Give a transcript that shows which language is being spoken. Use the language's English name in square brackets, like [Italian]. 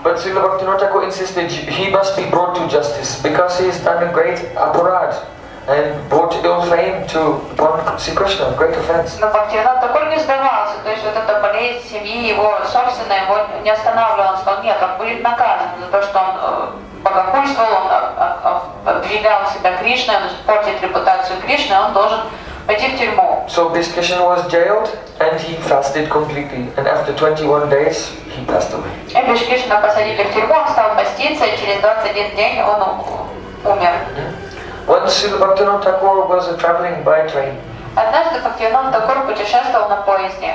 [English] But Srila Bhaktivinod Thakur insisted he must be brought to justice, because he has done a great apurad and brought ill fame to Sri Krishna, great offense. [Russian] Но Бхактивинод Такур не сдавался, то есть вот эта болезнь семьи, его собственная, его не останавливала, он сказал, нет, он будет наказан за то, что он богохульствовал, он обвинял себя Кришной, он испортит репутацию Кришны, он должен пойти в тюрьму. [English] So Bhaktivinoda was jailed and he fasted completely. And after 21 days, he passed away. [Russian] И Бхактивинода посадили в тюрьму, он стал поститься, и через 21 день он умер. [English] Once Srila Bhaktivinoda Thakur was traveling by train. [Russian] Однажды Бхактивинода Такур путешествовал на поезде.